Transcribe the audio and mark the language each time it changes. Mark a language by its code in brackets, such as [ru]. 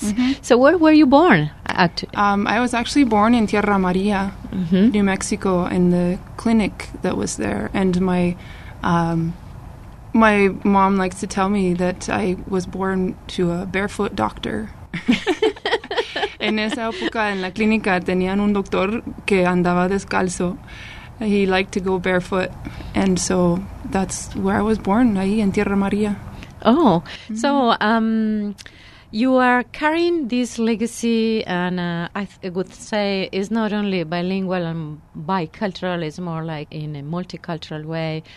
[en] Mm-hmm. So where were you born? I was actually born in Tierra Maria, New Mexico, in the clinic that was there. And my my mom likes to tell me that I was born to a barefoot doctor. [es] En esa época en la clínica tenían un doctor que andaba descalzo. [en] He liked to go barefoot. And so that's where I was born, [es] ahí en Tierra Maria. [en] Oh, so you are carrying this legacy, and I would say it's not only bilingual and bicultural, it's more like in a multicultural way.